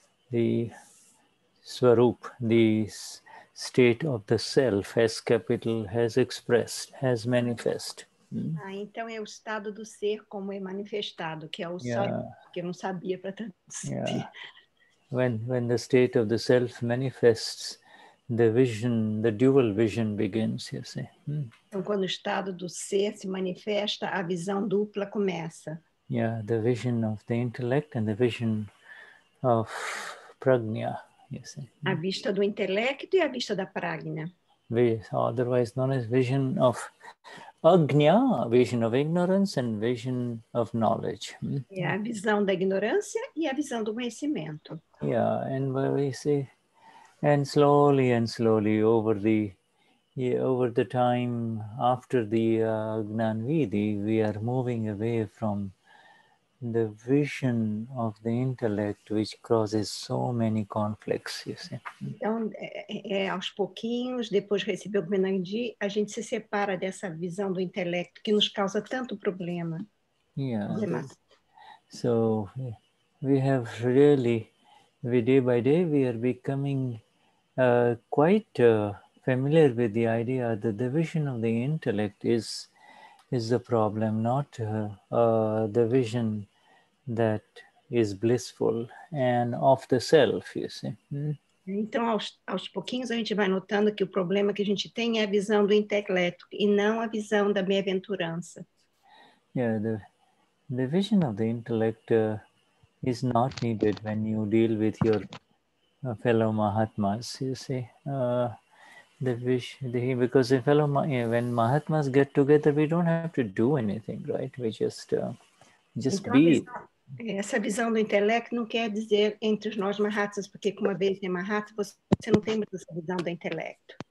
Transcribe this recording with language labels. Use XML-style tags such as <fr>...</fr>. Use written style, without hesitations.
<en>The Swarup, the state of the self, has capital, has expressed, has manifest.</en> <pt>Ah, então é o estado do ser como é manifestado, que é o só que eu não sabia para tanto.</pt> <en>Yeah. When the state of the self manifests, the vision, the dual vision begins, you see.</en> <pt>Então, quando o estado do ser se manifesta, a visão dupla começa.</pt> <en>Yeah, the vision of the intellect and the vision of prajna, you see.</en> <pt>A vista do intelecto e a vista da prajna.</pt> <en>Otherwise known as vision of Agnya, vision of ignorance and vision of knowledge.</en> <pt>É a visão da ignorância e a visão do conhecimento.</pt> <en>Yeah, and where we see, and slowly over the time after the Gnan Vidhi, we are moving away from the vision of the intellect, which causes so many conflicts, you see.</en> <pt>Então, aos pouquinhos, depois de receber o Menandi, a gente se separa dessa visão do intelecto que nos causa tanto problema.</pt> <en>Yeah. So, we have really, day by day, we are becoming quite familiar with the idea that the vision of the intellect is the problem, not the vision that is blissful and of the self, you see.</en> <pt>Então, aos pouquinhos, a gente vai notando que o problema que a gente tem é a visão do intelecto e não a visão da bem-aventurança.</pt> <en>Yeah, the vision of the intellect is not needed when you deal with your fellow mahatmas, you see. When mahatmas get together, we don't have to do anything, right? We just</en> <pt>então,</pt> <en>be.</en> <pt>Essa visão do intelecto não quer dizer entre os nós mahatmas, porque como uma vez é mahatma, você não tem essa visão do intelecto.</pt>